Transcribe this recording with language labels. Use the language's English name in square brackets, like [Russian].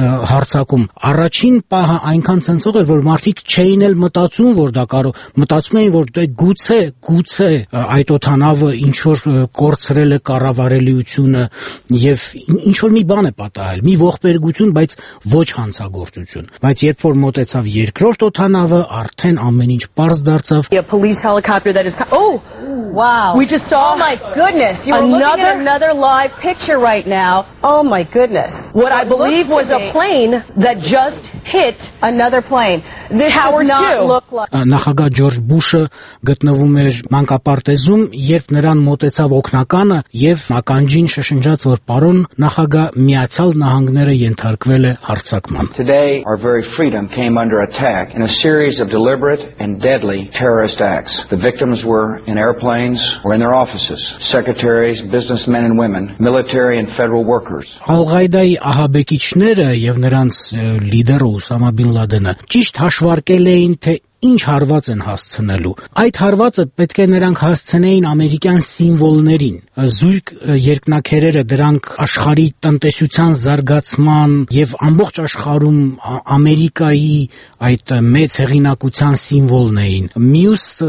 [Armenian] հարցակում առաջին պահը այնքան ցնցող էր, որ մարդիկ չէին էլ մտածում, որ դա կարող, մտածում էին, որ դա գուցե այդ օթանավը ինչ-որ կորցրել է կառավարելիությունը եւ ինչ-որ մի բան է պատահել, մի ողբերգություն, բայց ոչ հանցագործություն։ Բայց երբ որ մոտեցավ երկրորդ օթանավը, արդեն ամեն ինչ պարզ դարձավ։ [English] Wow. We just saw, oh my goodness. You were looking at another live picture right now. Oh my goodness. What I believe was a plane that just hit another plane. This does not look like. [Armenian] Նախագահ Ջորջ Բուշը գտնվում էր մանկապարտեզում, երբ նրան մոտեցավ օկնականը եւ ականջին շշնջաց, որ պարոն նախագահ, Միացյալ Նահանգները ենթարկվել է հարձակման։ [English] Today our very freedom came under attack in a series of deliberate and deadly terrorist acts. The victims were in airplanes or in their offices, secretaries, businessmen and women, military and federal workers. [Armenian] Al-Qaeda-ի ահաբեկիչները եւ նրանց լիդերը Ուսամա բին Լադենը ճիշտ հաշվարկել էին, թե ինչ հարված են հասցնելու։ Այդ հարվածը պետք է նրանք հասցնեին ամերիկյան սիմվոլներին, զույգ երկնաքերերը, դրանք աշխարհի տնտեսության զարգացման և ամբողջ աշխարհում Ամերիկայի այդ մեծ հեղինակության սիմվոլն էին։ Մյուս